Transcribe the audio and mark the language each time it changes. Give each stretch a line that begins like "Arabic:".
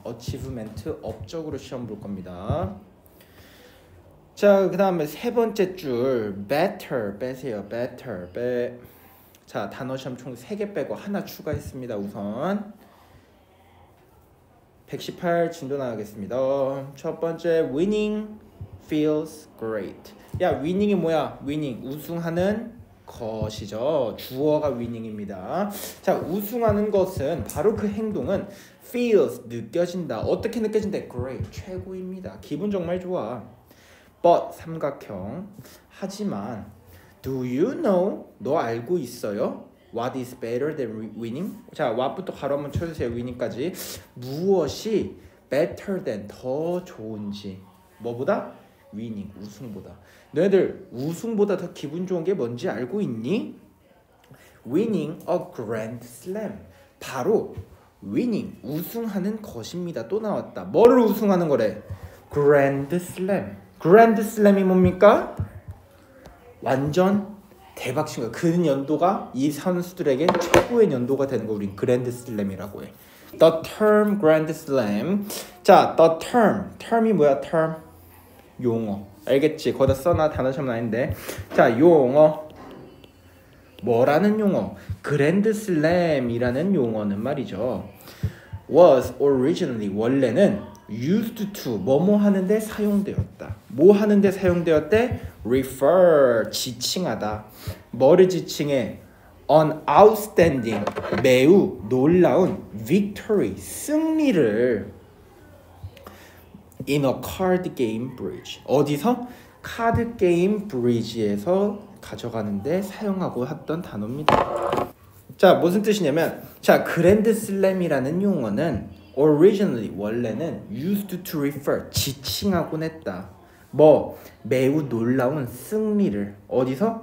Korean: 어치브멘트 업적으로 시험 볼 겁니다. 자, 그 다음에 세 번째 줄 better 빼세요. better 빼. 자, 단어 시험 총 3개 빼고 하나 추가했습니다. 우선 118 진도 나가겠습니다. 첫 번째
English: winning feels great.
Korean: 야, winning이 뭐야? winning 우승하는 것이죠. 주어가 위닝입니다. 자, 우승하는 것은 바로 그 행동은 feels 느껴진다. 어떻게 느껴진대? great 최고입니다. 기분 정말 좋아.
English: but
Korean: 삼각형 하지만
English: do you know
Korean: 너 알고 있어요?
English: what is better than winning?
Korean: 자, what부터 가로 한번 쳐주세요. winning까지 무엇이
English: better than
Korean: 더 좋은지 뭐보다? winning 우승보다. 너희들 우승보다 더 기분 좋은 게 뭔지 알고 있니?
English: winning a grand slam
Korean: 바로
English: winning
Korean: 우승하는 것입니다. 또 나왔다. 뭐를 우승하는 거래? grand slam. grand slam이 뭡니까? 완전 대박 친 거야. 그 연도가 이 선수들에게 최고의 연도가 되는 거 우린 grand slam이라고 해.
English: the term grand slam. 자, the term. term이
Korean: 뭐야? term 용어. 알겠지? 거기다 써놔. 단어 시험 아닌데. 자, 용어. 뭐라는 용어? 그랜드슬램이라는 용어는 말이죠.
English: was originally
Korean: 원래는
English: used to
Korean: 뭐뭐 하는데 사용되었다. 뭐 하는데 사용되었대? refer 지칭하다. 뭐를 지칭해?
English: an outstanding
Korean: 매우 놀라운
English: victory
Korean: 승리를
English: in a card game bridge
Korean: 어디서? 카드 게임 브리지에서 가져가는데 사용하고 했던 단어입니다. 자, 무슨 뜻이냐면 자, 그랜드 슬램이라는 용어는 originally 원래는
English: used to refer
Korean: 지칭하곤 했다. 뭐 매우 놀라운 승리를 어디서?